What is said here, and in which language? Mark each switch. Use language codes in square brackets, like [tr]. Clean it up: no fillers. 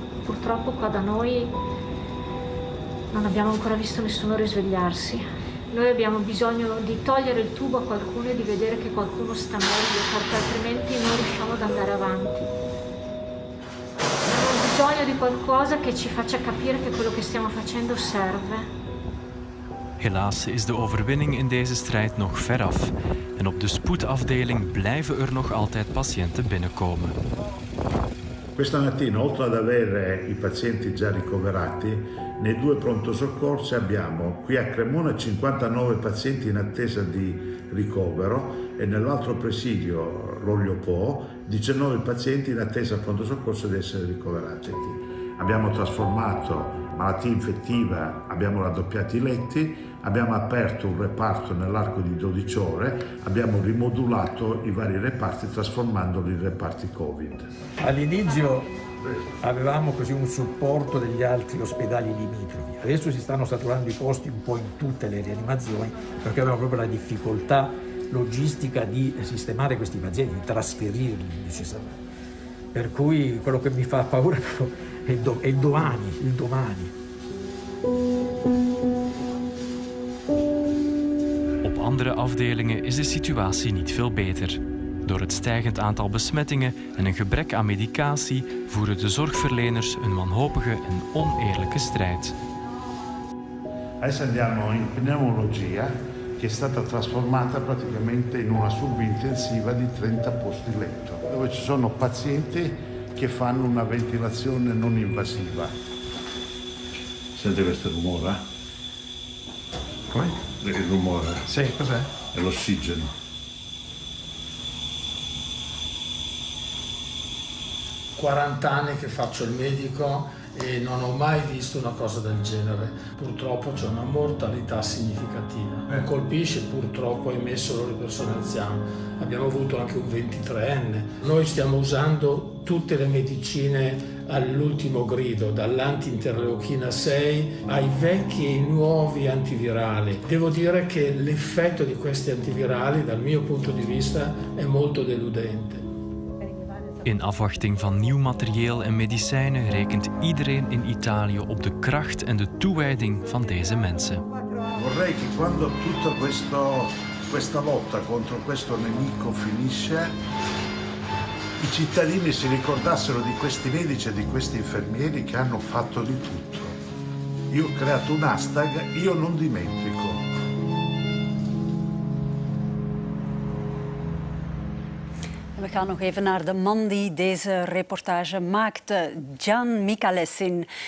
[it] Purtroppo qua da noi Non abbiamo ancora visto nessuno risvegliarsi. Noi abbiamo bisogno di togliere il tubo a qualcuno e di vedere che qualcuno sta meglio, perché altrimenti non riusciamo ad andare avanti. Abbiamo bisogno di qualcosa che ci faccia capire che quello che stiamo facendo serve. [nl] Helaas is de overwinning in deze strijd nog ver af. En op de spoedafdeling blijven er nog altijd patiënten binnenkomen. [it] Questa mattina, oltre ad avere i pazienti già ricoverati, nei due pronto soccorsi abbiamo qui a Cremona 59 pazienti in attesa di ricovero e nell'altro presidio, l'Olio Po, 19 pazienti in attesa pronto soccorso di essere ricoverati. Abbiamo trasformato malattia infettiva, abbiamo raddoppiato i letti, abbiamo aperto un reparto nell'arco di 12 ore, abbiamo rimodulato i vari reparti trasformandoli in reparti Covid. All'inizio avevamo così un supporto degli altri ospedali limitrofi, adesso si stanno saturando i posti un po' in tutte le rianimazioni perché abbiamo proprio la difficoltà logistica di sistemare questi pazienti, di trasferirli necessariamente. Per cui quello che mi fa paura è il domani. [nl] Op andere afdelingen is de situatie niet veel beter. Door het stijgend aantal besmettingen en een gebrek aan medicatie voeren de zorgverleners een wanhopige en oneerlijke strijd. [it] Adesso andiamo in pneumologia, che è stata trasformata praticamente in una subintensiva di 30 posti letto, dove ci sono pazienti che fanno una ventilazione non invasiva. Sente questo rumore? Come? Il rumore. Sì, cos'è? È l'ossigeno. Quarant'anni che faccio il medico e non ho mai visto una cosa del genere. Purtroppo c'è una mortalità significativa. Mi colpisce, purtroppo, ahimè, solo le persone anziane. Abbiamo avuto anche un 23enne. Noi stiamo usando tutte le medicine all'ultimo grido, dall'antiinterleuchina 6 ai vecchi e nuovi antivirali. Devo dire che l'effetto di questi antivirali, dal mio punto di vista, è molto deludente. [nl] In afwachting van nieuw materieel en medicijnen rekent iedereen in Italië op de kracht en de toewijding van deze mensen. [it] Vorrei che quando tutta questa lotta contro questo nemico finisce, i cittadini si ricordassero di questi medici e di questi infermieri che hanno fatto di tutto. Io ho creato un hashtag, io non dimentico. [nl] We gaan nog even naar de man die deze reportage maakte, Gian Micalessin.